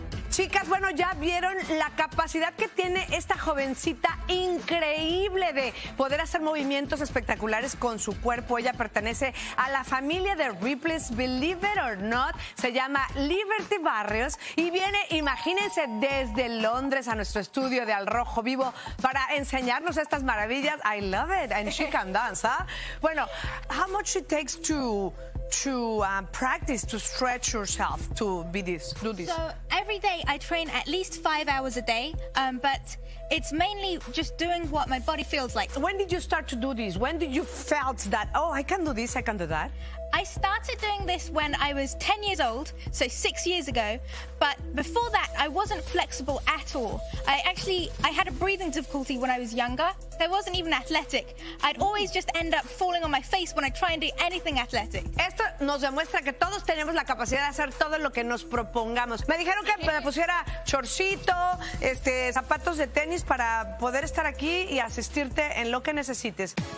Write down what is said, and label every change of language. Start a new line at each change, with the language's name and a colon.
Spanish: chicas, bueno, ya vieron la capacidad que tiene esta jovencita increíble de poder hacer movimientos espectaculares con su cuerpo. Ella pertenece a la familia de Ripley's Believe It or Not. Se llama Liberty Barrios y viene, imagínense, desde Londres a nuestro estudio de Al Rojo Vivo para enseñarnos estas maravillas.
English: I love it. And she can dance, ¿ah? ¿Eh? Bueno, how much it takes to practice, to stretch yourself, to be this, do this? So every day I train at least 5 hours a day, but it's mainly just doing what my body feels like. When did you start to do this? When did you felt that, oh, I can do this, I can do that? I started doing this when I was 10 years old, so 6 years ago, but before that I wasn't flexible at all. I had a breathing difficulty when I was younger. I wasn't even athletic. I'd always just end up falling on my face when I try and do anything athletic.
Spanish: Esto nos demuestra que todos tenemos la capacidad de hacer todo lo que nos propongamos. Me dijeron que me pusiera chorcito, zapatos de tenis para poder estar aquí y asistirte en lo que necesites.